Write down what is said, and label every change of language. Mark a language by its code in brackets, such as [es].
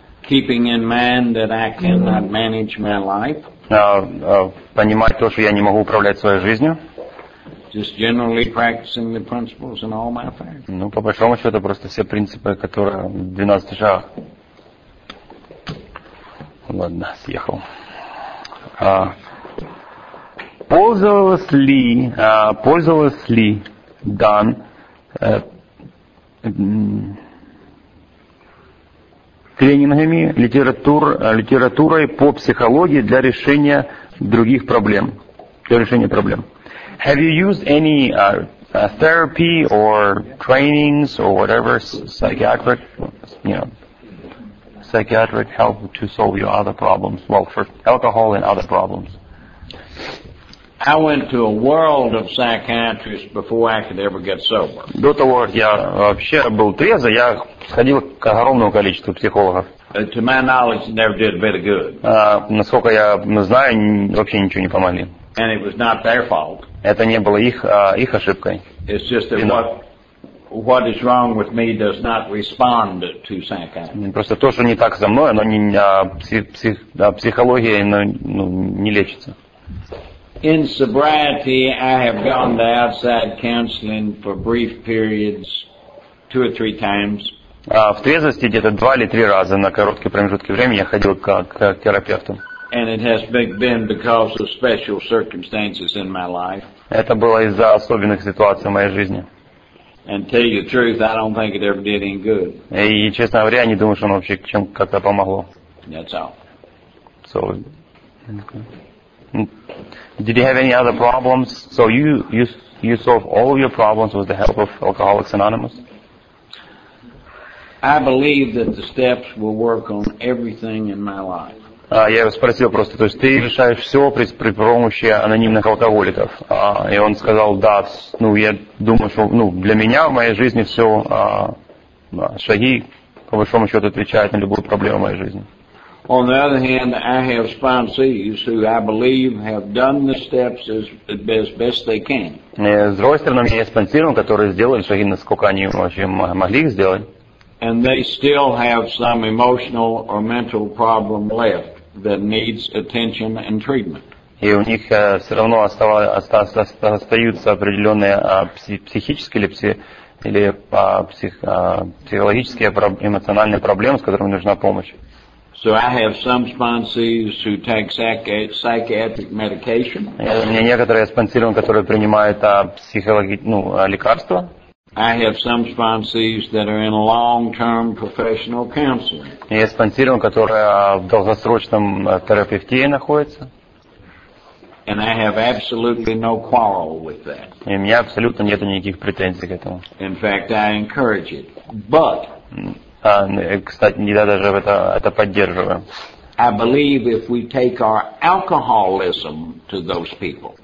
[en] Keeping in mind that I cannot manage my life. [ru] Понимать то, что я не могу управлять своей жизнью. [en] Just generally practicing the principles in all my affairs. [ru] По большому счету, просто все принципы, которые в 12 шагах. Ладно, съехал. Пользовалась ли Дан тренингами, литературой по психологии для решения других проблем? Для решения проблем. [en] Have you used any therapy or trainings or whatever psychiatric help to solve your other problems? Well, for alcohol and other problems. I went to a world of psychiatrists before I could ever get sober. [ru] До того, как я вообще был трезвый, я сходил к огромному количеству психологов. [en] To my knowledge, it never did a bit of good. [ru] Насколько я знаю, вообще ничего не помогли. [en] And it was not their fault. [ru] Это не было их ошибкой. [en] It's just that what is wrong with me does not respond to psychiatry. [ru] Просто то, что не так со мной, оно не психология, не лечится. [en] In sobriety, I have gone to outside counseling for brief periods, 2 or 3 times. [ru] В трезвости где-то 2 или 3 раза на короткий промежуток времени я ходил к терапевту. [en] And it has been because of special circumstances in my life. [ru] Это было из-за особенных ситуаций в моей жизни. [en] And tell you the truth, I don't think it ever did any good. [ru] И честно говоря, я не думаю, что оно вообще чем как-то помогло. [en] That's all. So, okay. Did you have any other problems? So you solve all of your problems with the help of Alcoholics Anonymous? I believe that the steps will work on everything in my life. [ru] Я его спросил просто, то есть ты решаешь все при помощи анонимных алкоголиков? И он сказал, да, я думаю, что для меня в моей жизни все шаги, по большому счету, отвечают на любую проблему в моей жизни. [en] On the other hand, I have sponsees who I believe have done the steps as best they can. [ru] С другой стороны, у меня есть спонсоры, которые сделали шаги, насколько они вообще могли их сделать. [en] and they still have some emotional or mental problem left that needs attention and treatment. [ru] И у них все равно остаются определенные психические психологические эмоциональные проблемы, с которыми нужна помощь. [en] So I have some sponsees who take psychiatric medication. [ru] У меня некоторые спонсированы, которые принимают лекарства. [en] I have some sponsees that are in long-term professional counseling. [ru] Есть спонсированы, которые в долгосрочном терапевтии находятся. [en] And I have absolutely no quarrel with that. [ru] И у меня абсолютно нет никаких претензий к этому. [en] In fact, I encourage it. But [ru] кстати, я даже это поддерживаю. [en] I believe if we take our alcoholism to those people.